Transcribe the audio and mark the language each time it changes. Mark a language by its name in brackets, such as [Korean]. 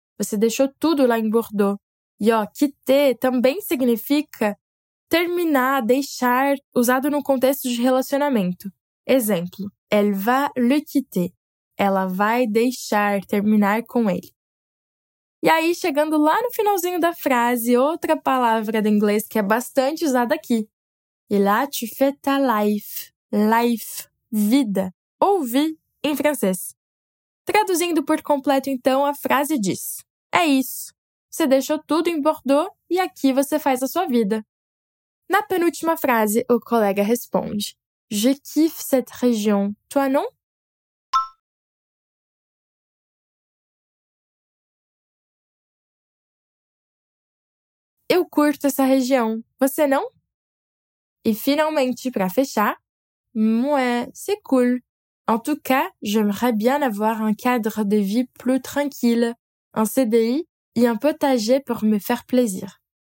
[Portuguese] Você deixou tudo lá em Bordeaux. E ó, quitter também significa terminar, deixar, usado no contexto de relacionamento. Exemplo: [French] Elle va le quitter. [Portuguese] Ela vai deixar, terminar com ele. E aí, chegando lá no finalzinho da frase, outra palavra do inglês que é bastante usada aqui. [French] E là tu fais ta life. Life, vida. [Portuguese] Ou vie em francês. Traduzindo por completo, então, a frase diz: É isso. Você deixou tudo em Bordeaux e aqui você faz a sua vida. Na penúltima frase, o colega responde: [French] Je kiffe cette région, toi non? [Portuguese] Eu curto essa região, você não? E finalmente, para fechar, [French] Moi, c'est cool. En tout cas, j'aimerais bien avoir un cadre de vie plus tranquille, un CDI et un potager pour me faire plaisir.